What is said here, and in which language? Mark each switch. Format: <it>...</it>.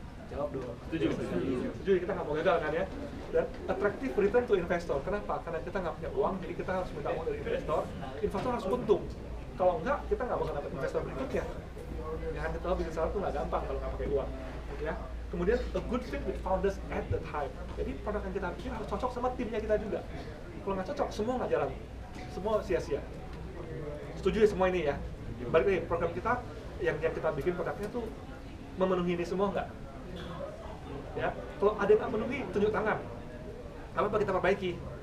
<id>Jawab dulu. Setuju. Setuju, kita gak mau gagal kan ya, dan</id> <en>attractive return to investor,</en> <id>kenapa? Karena kita gak punya uang, jadi kita harus minta uang dari investor, investor harus untung, kalau enggak, kita gak bakal dapat investor berikutnya ya kan, kita tahu bisnis startup tuh gak gampang kalau gak pakai uang, ya.</id> <en>Kemudian, a good fit with founders at the time.</en> <id>Jadi, produk yang kita bikin harus cocok sama timnya kita juga. Kalau nggak cocok, semua nggak jalan. Semua sia-sia. Setuju ya semua ini ya? Balik lagi, program kita, yang kita bikin produknya tuh memenuhi ini semua nggak? Ya? Kalau ada yang nggak memenuhi, tunjuk tangan. Apa kita perbaiki?</id>